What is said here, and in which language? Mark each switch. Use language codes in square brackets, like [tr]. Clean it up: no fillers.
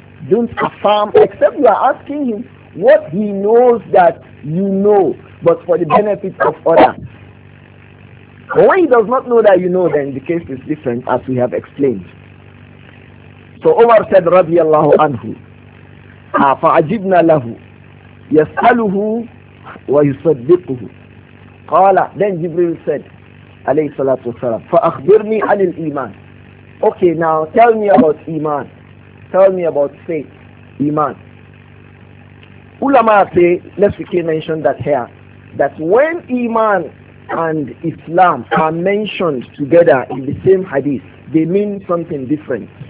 [en] Don't affirm, except you are asking him what he knows that you know, but for the benefit of others. But when he does not know that you know, then the case is different, as we have explained. So Umar said, [ar] radiallahu anhu, فَعَجِبْنَا لَهُ يَسْأَلُهُ وَيُصَدِّقُهُ. قَالَ, [en] then Jibril said, [ar] عليه الصلاة والسلام, فَأَخْبِرْنِي عَنِ الْإِيمَانِ. [en] Okay, now tell me about Iman. Tell me about faith, Iman. Ulama say, let's quickly mention that here, that when Iman and Islam are mentioned together in the same hadith, they mean something different.